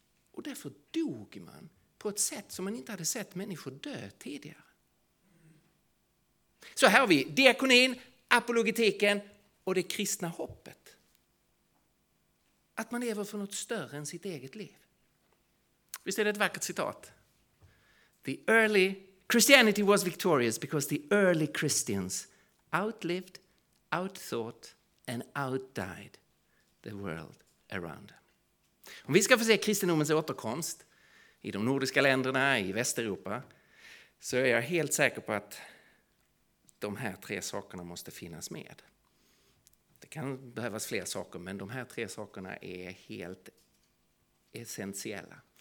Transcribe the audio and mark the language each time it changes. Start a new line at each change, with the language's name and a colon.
Swedish: Och därför dog man på ett sätt som man inte hade sett människor dö tidigare. Så här har vi diakonin, apologetiken och det kristna hoppet. Att man lever för något större än sitt eget liv. Visst är det ett vackert citat?
English: The early Christianity was victorious because the early Christians outlived, outthought and outdied the world around them.
Swedish: Om vi ska få se kristendomens återkomst i de nordiska länderna, i Västeuropa, så är jag helt säker på att de här tre sakerna måste finnas med. Det kan behövas fler saker, men de här tre sakerna är helt essentiella.